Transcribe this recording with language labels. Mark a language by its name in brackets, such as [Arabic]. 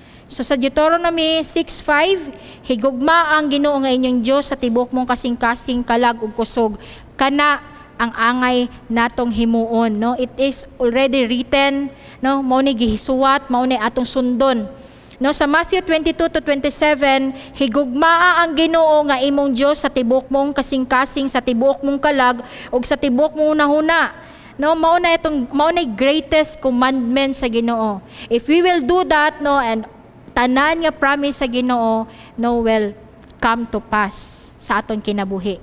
[Cebuano] So sa Deuteronomy 6:5, higugma ang Ginoo nga inyong Dios sa tibok mong kasing-kasing kalag ug kusog kana ang angay natong himuon, no? [English] It is already written, no? [Cebuano] Mao ni gihisuwat, mao ni atong sundon. No, sa Matthew 22-27, higugmaa ang Ginoo nga imong Dios sa tibok mong kasing-kasing, sa tibok mong kalag ug sa tibok mong unahuna. No, mao na itong mao ni greatest commandment sa Ginoo. [English] If we will do that, no, [Cebuano] and tanan nga promise sa Ginoo, [English] no, will come to pass sa atong kinabuhi.